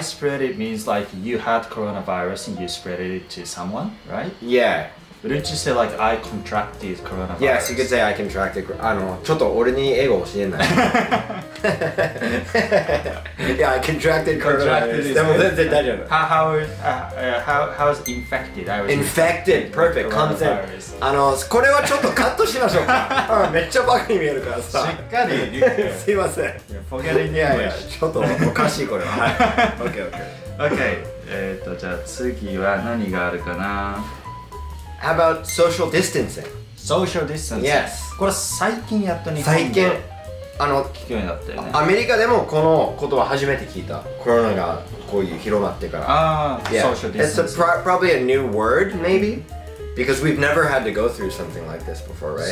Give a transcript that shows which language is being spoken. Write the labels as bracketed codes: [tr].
[en] spread it means like you had coronavirus and you spread it to someone, right? Yeah. Wouldn't you say like I contracted coronavirus? Yes, you could say I contracted coronavirus. [ja] ちょっと俺に英語教えない? [en] Yeah, I contracted coronavirus. [ja] でも全然大丈夫。 [en] How is infected? Infected, perfect. Coronavirus. [ja] これはちょっとカットしましょうか。めっちゃバカに見えるからさ。しっかり。すいません。 [en] Forgetting the English. [ja] ちょっとおかしいこれは。 [en] Okay. [ja] じゃあ次は何があるかな? [en] How about social distancing? Social distancing? Yes. [ja] これ最近やった日本で最近聞くようになったよね。アメリカでもこのことは初めて聞いた。コロナがこういう広まってから。 [en] Yeah. Social distancing. It's probably a new word, maybe? Because we've never had to go through something like this before, right?